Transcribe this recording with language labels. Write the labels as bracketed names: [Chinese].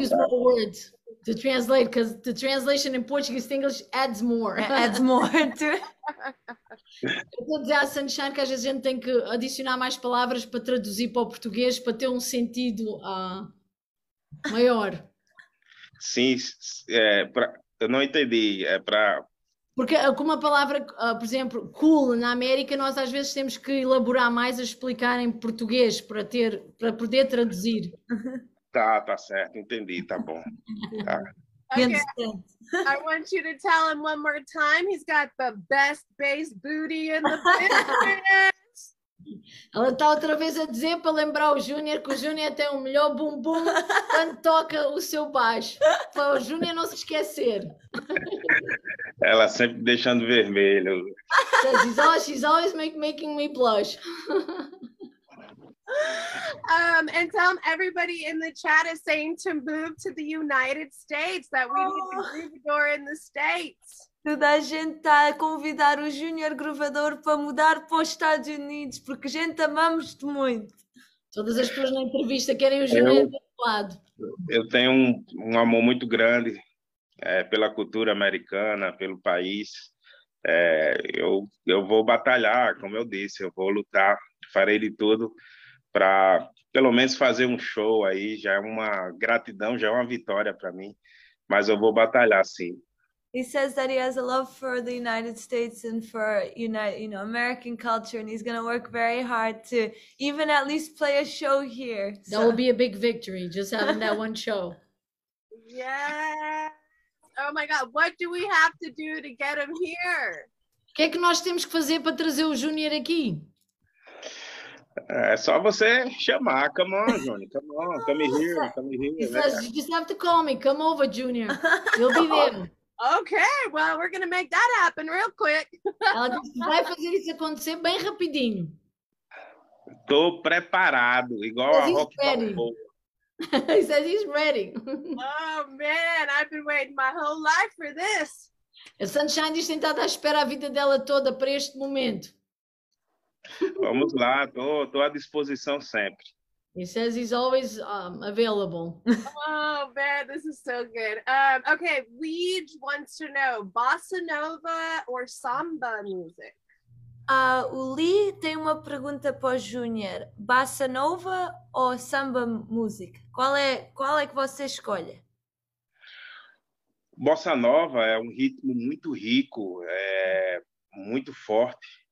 [English] use more words to translate, because the translation in Portuguese to English adds more. Adds more to it. [Portuguese] Eu dizer a Sunshine que às vezes a gente tem que adicionar mais palavras para traduzir para o português, para ter um sentido maior. Sim, eu não entendi, Porque com uma palavra, por exemplo, cool, na América, nós às vezes temos que elaborar mais a explicar em português para poder traduzir. Tá certo. Entendi, tá bom. [English] Okay. I want you to tell him one more time he's got the best bass booty in the business. [Portuguese] Ela está outra vez a dizer para lembrar o Júnior que o Júnior tem o melhor bumbum quando toca o seu baixo. Para o Júnior não se esquecer. Ela sempre deixando vermelho. [English] She's always making me blush. And tell everybody in the chat is saying to move to the United States, that we need the Groovador in the States. [Portuguese] Toda a gente está a convidar o Júnior Groovador para mudar para os Estados Unidos, porque a gente amamos-te muito. Todas as pessoas na entrevista querem o Júnior do lado. Eu tenho um amor muito grande. Pela cultura americana, pelo país, eu vou batalhar, como eu disse, eu vou lutar, farei de tudo para pelo menos fazer um show aí, já é uma gratidão, já é uma vitória para mim, mas eu vou batalhar, sim. [English] He says that he has a love for the United States and for, you know, American culture, and he's going to work very hard to even at least play a show here. So. That will be a big victory, just having that one show. Yeah! Oh my God, what do we have to do to get him here? [Portuguese] O que é que nós temos que fazer para trazer o Júnior aqui? É só você chamar. [English] Come on, Júnior. Come on. Come here. He says, you just have to call me. Come over, Júnior. You'll be there. Okay, well, we're going to make that happen real quick. [Portuguese] Vai fazer isso acontecer bem rapidinho. Tô preparado, igual a Rock Balboa. [English] He says he's ready. Oh man, I've been waiting my whole life for this. [Portuguese] A Sunshine diz que está à espera a vida dela toda para este momento. Vamos lá, tô à disposição sempre. [English] He says he's always available. Oh man, this is so good. Okay, Weed wants to know, bossa nova or samba music? [Portuguese] O Lee tem uma pergunta para o Júnior. Bossa nova ou samba music? Qual é que você escolhe? Bossa nova é um ritmo muito rico, muito forte.